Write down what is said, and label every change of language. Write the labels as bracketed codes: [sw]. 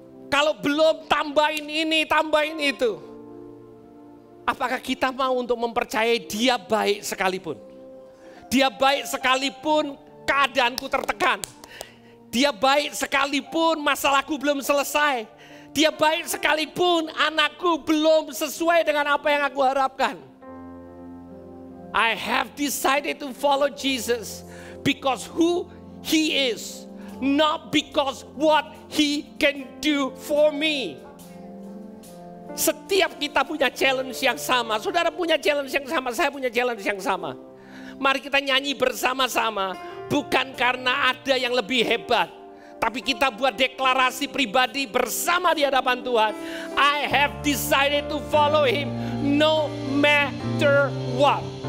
[id] Kalau belum, tambahin ini, tambahin itu. Apakah kita mau untuk mempercayai Dia baik sekalipun? Dia baik sekalipun keadaanku tertekan. Dia baik sekalipun masalahku belum selesai. Dia baik sekalipun anakku belum sesuai dengan apa yang aku harapkan. [en] I have decided to follow Jesus because who He is, not because what He can do for me. [id] Setiap kita punya challenge yang sama. Saudara punya challenge yang sama, saya punya challenge yang sama. Mari kita nyanyi bersama-sama. Bukan karena ada yang lebih hebat, tapi kita buat deklarasi pribadi bersama di hadapan Tuhan. [en] I have decided to follow Him no matter what.